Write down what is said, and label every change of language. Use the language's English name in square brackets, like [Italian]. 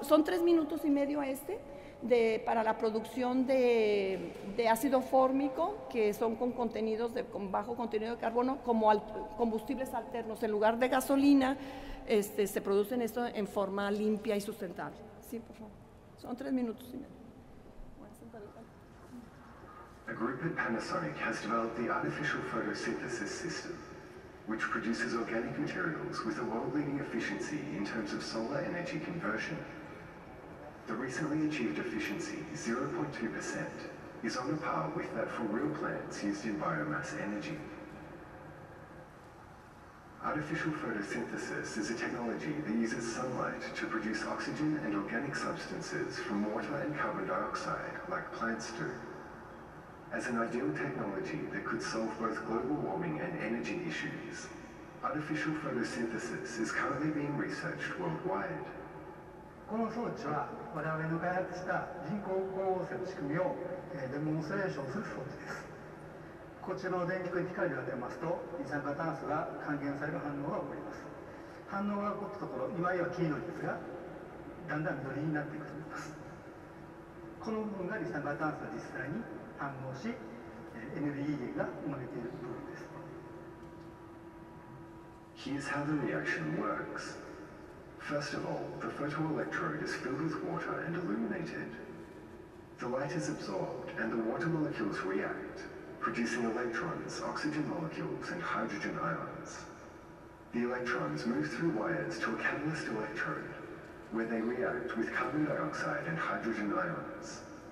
[Spanish] Son 3 minutos y medio este para la producción de ácido fórmico, que son con contenidos con bajo contenido de carbono, como combustibles alternos. En lugar de gasolina, se producen esto en forma limpia y sustentable. Sí, por favor. Son 3 minutos y medio. [English] A group at Panasonic has developed the artificial photosynthesis system, which produces organic materials with a world-leading efficiency in terms of solar energy conversion. The recently achieved efficiency, 0.2%, is on a par with that for real plants used in biomass energy. Artificial photosynthesis is a technology that uses sunlight to produce oxygen and organic substances from water and carbon dioxide, like plants do. As an ideal technology that could solve both global warming and energy issues, artificial photosynthesis is currently being researched worldwide. [Japanese] この装置は我々の開発した人工光合成の仕組みをデモンストレーションする装置です。こちらの電極に光を当てますと、二酸化炭素が還元される反応が起こります。反応が起こったところ、今は黄色いですが、だんだん緑になっていくと思います。この部分が二酸化炭素が実際に反応し、エネルギー源が生まれている部分です。 [English] Here's how the reaction works. First of all, the photoelectrode is filled with water and illuminated. The light is absorbed and the water molecules react, producing electrons, oxygen molecules, and hydrogen ions. The electrons move through wires to a catalyst electrode, where they react with carbon dioxide and hydrogen ions.